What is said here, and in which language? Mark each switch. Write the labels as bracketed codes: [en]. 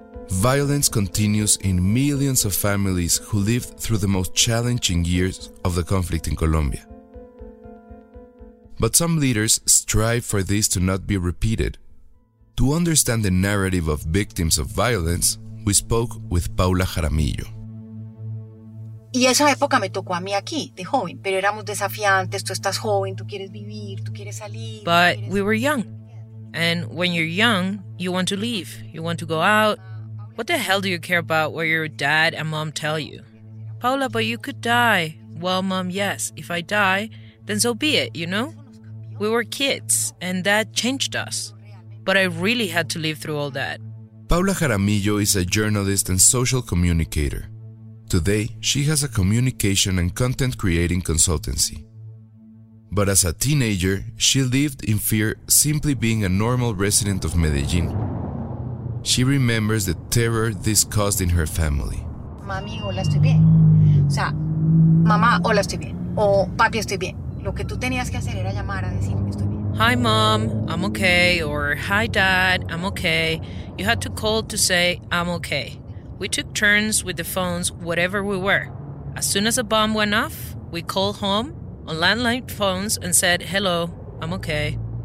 [en] Violence continues in millions of families who lived through the most challenging years of the conflict in Colombia. But some leaders strive for this to not be repeated. To understand the narrative of victims of violence, we spoke with Paula Jaramillo. [es] Y esa época me tocó a mí aquí, de joven. Pero éramos desafiantes, tú estás joven, tú quieres vivir, tú quieres salir. [en] But we were young. And when you're young, you want to leave. You want to go out. What the hell do you care about what your dad and mom tell you? Paula, but you could die. Well, mom, yes. If I die, then so be it, you know? We were kids, and that changed us. But I really had to live through all that. Paula Jaramillo is a journalist and social communicator. Today, she has a communication and content creating consultancy. But as a teenager, she lived in fear simply being a normal resident of Medellin. She remembers the terror this caused in her family. [es] Mami, hola, estoy bien. O sea, mamá, hola, estoy bien. O papi, estoy bien. Lo que tú tenías que hacer era llamar a decirme estoy bien. [en] Hi, mom, I'm okay. Or hi, dad, I'm okay. You had to call to say, I'm okay. We took turns with the phones, whatever we were. As soon as a bomb went off, we called home on landline phones and said, hello, I'm okay.